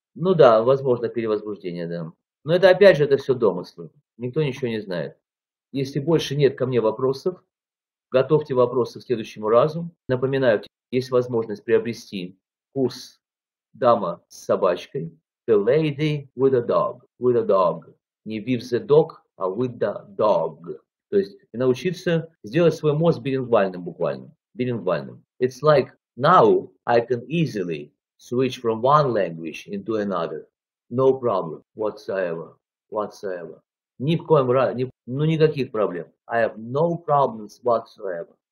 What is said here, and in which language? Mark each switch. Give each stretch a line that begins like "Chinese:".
Russian: Ну да, возможно, перевозбуждение, да. Но это опять же, это все домыслы. Никто ничего не знает. Если больше нет ко мне вопросов, готовьте вопросы к следующему разу. Напоминаю, есть возможность приобрести курс «Дама с собачкой».
English: The lady with a dog. With a dog. Не with the dog, а with the dog.
Russian: То есть научиться сделать свой мозг билингвальным буквально.
English: Билингвальным. It's like now I can easily switch from one language into another. No problem. Whatsoever. Whatsoever.
Russian: Ни в коем разе. Ну, никаких проблем.
English: I have no problems whatsoever.